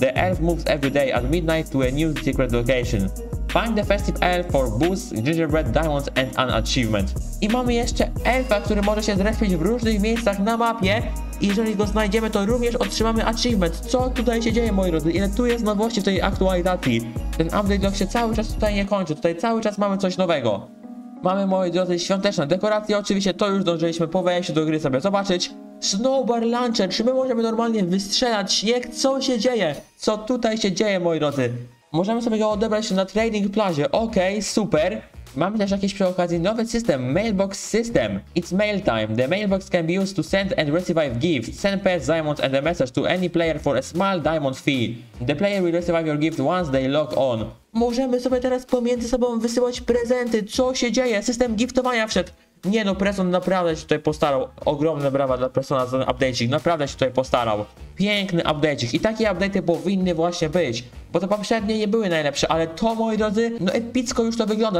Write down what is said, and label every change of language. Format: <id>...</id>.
<en>The elf moves every day at midnight to a new secret location. Find the festive elf for boosts, gingerbread, diamonds and an achievement.</en> <pl>I mamy jeszcze elfa, który może się zreszpić w różnych miejscach na mapie. Jeżeli go znajdziemy, to również otrzymamy achievement. Co tutaj się dzieje, moi drodzy? Ile tu jest nowości w tej aktualizacji? Ten update log się cały czas tutaj nie kończy. Tutaj cały czas mamy coś nowego. Mamy, moi drodzy, świąteczne dekoracje. Oczywiście to już dążyliśmy po wejściu do gry sobie zobaczyć. Snowbar Launcher, czy my możemy normalnie wystrzelać śnieg? Co się dzieje? Co tutaj się dzieje, moi drodzy? Możemy sobie go odebrać na Trading Plazie. Okej, super. Mamy też jakiś przy okazji nowy system, Mailbox System.</pl> <en>It's mail time. The mailbox can be used to send and receive gifts. Send pets, diamonds and a message to any player for a small diamond fee. The player will receive your gift once they log on.</en> <pl>Możemy sobie teraz pomiędzy sobą wysyłać prezenty. Co się dzieje? System giftowania wszedł. Nie no, Preston naprawdę się tutaj postarał. Ogromne brawa dla Prestona za ten update'ik. Naprawdę się tutaj postarał. Piękny update'ik. I takie update'y powinny właśnie być. Bo to poprzednie nie były najlepsze, ale to, moi drodzy, no epicko już to wygląda.</pl>